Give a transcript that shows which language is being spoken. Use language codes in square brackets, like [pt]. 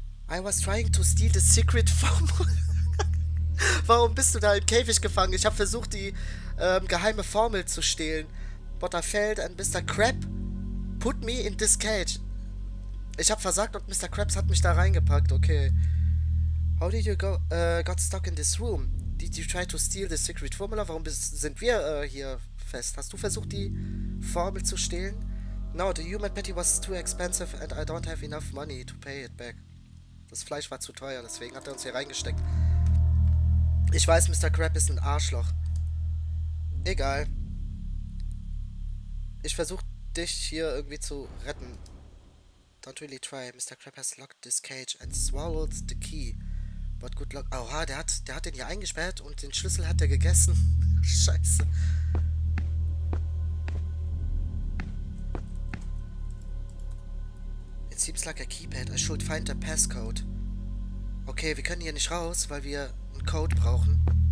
[en] I was trying to steal the secret formula. [de] Warum bist du da im Käfig gefangen? Ich hab versucht, die geheime Formel zu stehlen. [en] But I failed and Mr. Crab put me in this cage. [de] Ich hab versagt und Mr. Krabs hat mich da reingepackt, okay. [en] How did you got stuck in this room? Did you try to steal the secret formula? [de] Warum sind wir hier fest? Hast du versucht, die Formel zu stehlen? [en] No, the human patty was too expensive and I don't have enough money to pay it back. [de] Das Fleisch war zu teuer, deswegen hat er uns hier reingesteckt. Ich weiß, Mr. Krabs ist ein Arschloch. Egal. Ich versuch, dich hier irgendwie zu retten. [en] Don't really try. Mr. Crab has locked this cage and swallowed the key. But good luck. [de] Oha, der hat den hier eingesperrt und den Schlüssel hat er gegessen. Scheiße. [en] It seems like a keypad. I should find the passcode. [de] Okay, wir können hier nicht raus, weil wir einen Code brauchen.